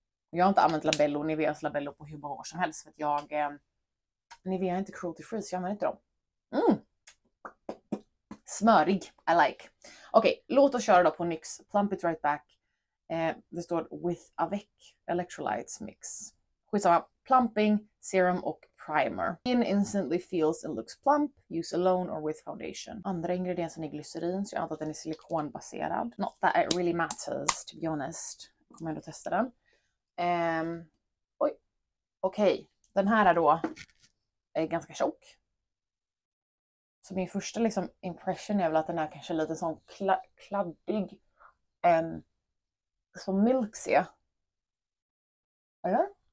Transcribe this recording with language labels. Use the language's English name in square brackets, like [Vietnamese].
[Swedish] Jag har inte använt Labello, Niveas Labello på hur många år som helst. För att jag, Nivea är inte cruelty free, så jag använder inte dem. Mm. Smörig, [English] I like. [Swedish] Okej, låt oss köra då på NYX Plump It Right Back. Det står With Avec Electrolytes Mix. Skitsamma, plumping, serum och primer. [English] Skin instantly feels and looks plump. Use alone or with foundation. [Swedish] Andra ingrediensen är glycerin, så jag antar att den är silikonbaserad. [English] Not that it really matters, to be honest. [Swedish] Kommer jag ändå testa den. Okej. Den här är då är ganska tjock. Så min första liksom impression är väl att den är kanske lite sån kladdig som milksy. Eller?